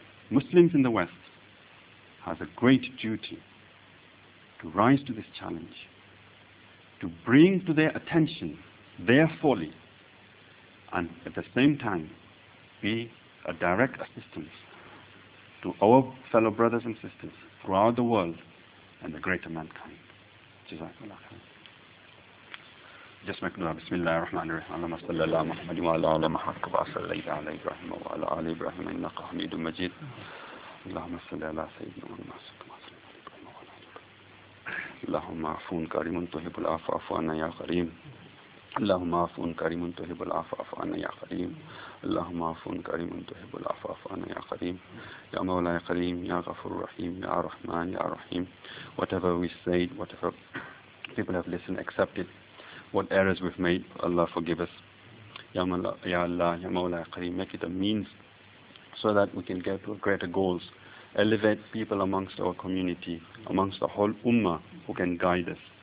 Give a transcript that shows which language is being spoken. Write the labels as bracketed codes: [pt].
[en] Muslims in the West has a great duty to rise to this challenge, to bring to their attention their folly, and at the same time be a direct assistance to our fellow brothers and sisters throughout the world and the greater mankind. Jazakallah. [ar] جسمك نور بسم الله الرحمن الرحيم اللهم صل على محمد وعلى آل محمد كما صليت على إبراهيم وعلى آل إبراهيم إنك حميد مجيد اللهم صل على سيدنا محمد وعلى آل محمد اللهم عفو كريم تهب العفو عفو عنا يا كريم اللهم عفو كريم تهب العفو عفو عنا يا كريم اللهم عفو كريم تهب العفو عفو عنا يا كريم يا مولاي كريم يا غفور رحيم يا رحمن يا رحيم [en] whatever we say whatever people have listened, accepted what errors we've made. Allah forgive us. Ya Allah, Ya Mawla, Ya Kareem, make it a means so that we can get to greater goals. Elevate people amongst our community, amongst the whole Ummah who can guide us.